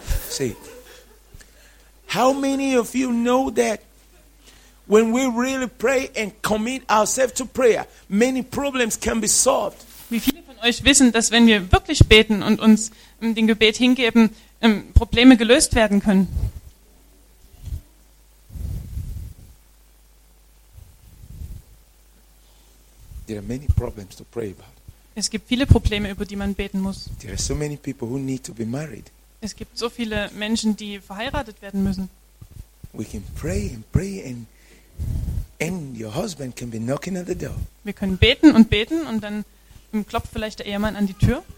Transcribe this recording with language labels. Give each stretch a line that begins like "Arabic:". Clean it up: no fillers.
English: See, how many of you know that when we really pray and commit ourselves to prayer, many problems can be solved?
German: Wie viele von euch wissen, dass wenn wir wirklich beten und uns dem Gebet hingeben, Probleme gelöst werden können?
English: There are many problems to pray about.
German: Es gibt viele Probleme, über die man beten muss.
English: There are so many people who need to be married.
German: Es gibt so viele Menschen, die verheiratet werden müssen. Wir können beten und beten und dann klopft vielleicht der Ehemann an die Tür.